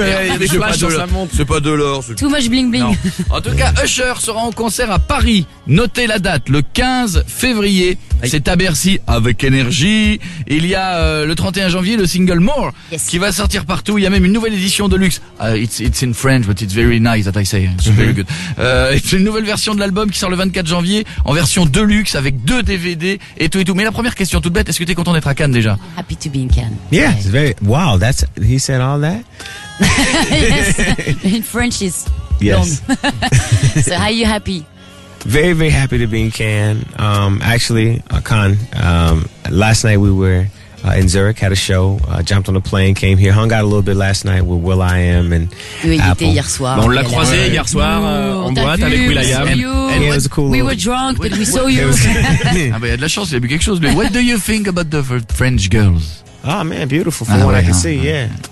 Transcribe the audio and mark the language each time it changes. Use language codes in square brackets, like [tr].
[fr] Il y a des flashs sur sa montre. C'est pas de l'or. [en] Too much bling bling. [fr] En tout cas, Usher sera en concert à Paris. Notez la date, le 15 février. C'est à Bercy avec énergie. Il y a le 31 janvier le single More qui va sortir partout. Il y a même une nouvelle édition de luxe. [en] It's in French, but it's very nice that I say. It's very good. [fr] C'est une nouvelle version de l'album qui sort le 24 janvier en version deluxe avec deux DVD et tout et tout. Mais la première question toute bête, est-ce que t'es content d'être à Cannes déjà? [en] Happy to be in Cannes. Yeah, it's very wow. That's he said all that. Yes, in French is long. So how are you happy? Very, very happy to be in Cannes. Last night we were in Zurich, had a show, jumped on a plane, came here, hung out a little bit last night with Will I Am and [fr] oui, [en] Apple. [fr] Il était hier soir. On l'a croisé hier soir en boîte avec Will I Am. [en] Yeah, it was a cool we little... were drunk, but we saw you. [fr] Ah, il y a de la chance, il a bu quelque chose. [en] What do you think about the French girls? Oh man, beautiful from what I can see, yeah.